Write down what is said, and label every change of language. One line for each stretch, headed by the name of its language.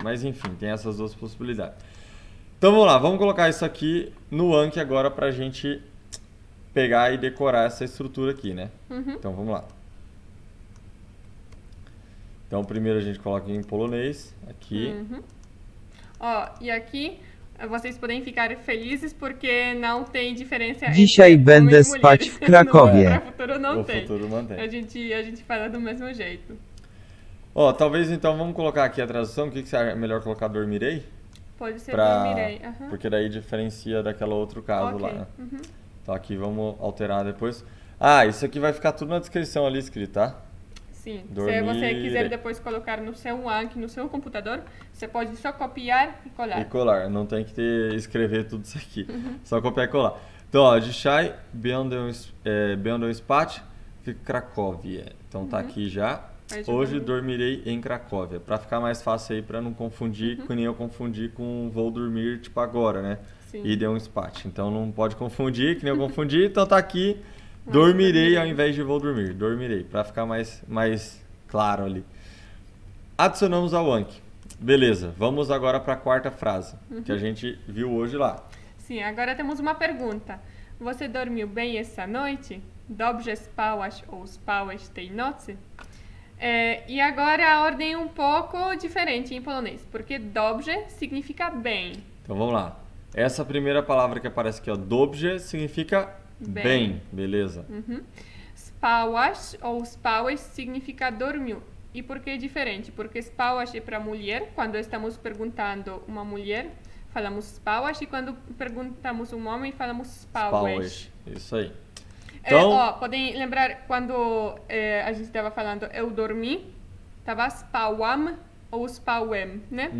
Portuguese: Mas, enfim, tem essas duas possibilidades. Então, vamos lá. Vamos colocar isso aqui no Anki agora para a gente pegar e decorar essa estrutura aqui, né? Uhum. Então, vamos lá. Então, primeiro a gente coloca em polonês aqui. Uhum. Ó, e aqui vocês podem ficar felizes porque não tem diferença
Polish: dzisiaj będę spać w Krakowie.
Portuguese: No futuro não tem. A gente fala do mesmo jeito. Ó, talvez então vamos colocar aqui a tradução. O que você acha melhor colocar dormirei? Pode ser dormirei. Uhum. Porque daí diferencia daquela outro caso okay. Lá. Né? Uhum. Então aqui vamos alterar depois. Ah, isso aqui vai ficar tudo na descrição ali escrito, tá? Sim. Dormirei. Se você quiser depois colocar no seu Anki, no seu computador, você pode só copiar e colar. E colar. Não tem que escrever tudo isso aqui. Uhum. Só copiar e colar. Então, ó,
Polish: dzisiaj będę spać w Krakowie.
Portuguese: Então tá aqui já. Hoje dormirei em Cracóvia. Pra ficar mais fácil aí, pra não confundir, que nem eu confundi com vou dormir, tipo agora, né? Sim. E deu um spat. Então não pode confundir, que nem eu confundi. Então tá aqui, dormirei ao invés de vou dormir. Dormirei, pra ficar mais claro ali. Adicionamos ao Anki. Beleza, vamos agora pra quarta frase, que a gente viu hoje lá. Sim, agora temos uma pergunta. Você dormiu bem essa noite?
Polish: Dobrze spałaś ou spałaś tej nocy?
Portuguese: E agora a ordem é um pouco diferente em polonês, porque dobrze significa bem. Então vamos lá. Essa primeira palavra que aparece aqui, ó, dobrze, significa bem, beleza? Uhum. Spałaś ou spałeś significa dormiu. E por que é diferente? Porque spawashi para mulher, quando estamos perguntando uma mulher, falamos spawashi, e quando perguntamos um homem, falamos spawash. Spawish, isso aí. É, Então, ó, podem lembrar quando a gente estava falando eu dormi, tava spawam ou spawem, né?